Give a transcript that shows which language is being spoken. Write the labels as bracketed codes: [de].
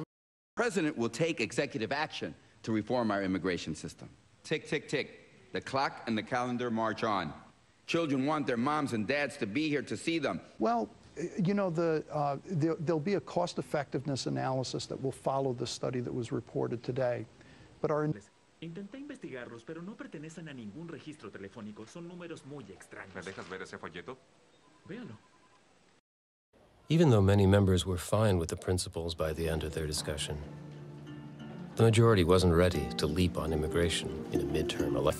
[en] The president will take executive action to reform our immigration system. Tick, tick, tick. The clock and the calendar march on. Children want their moms and dads to be here to see them. Well, you know, there'll be a cost-effectiveness analysis that will follow the study that was reported today. But our... [es] Intenté investigarlos, pero no pertenecen a ningún registro telefónico. Son números muy extraños. ¿Me dejas ver ese folleto? Véalo. [en] Even though many members were fine with the principles by the end of their discussion, the majority wasn't ready to leap on immigration in a midterm election.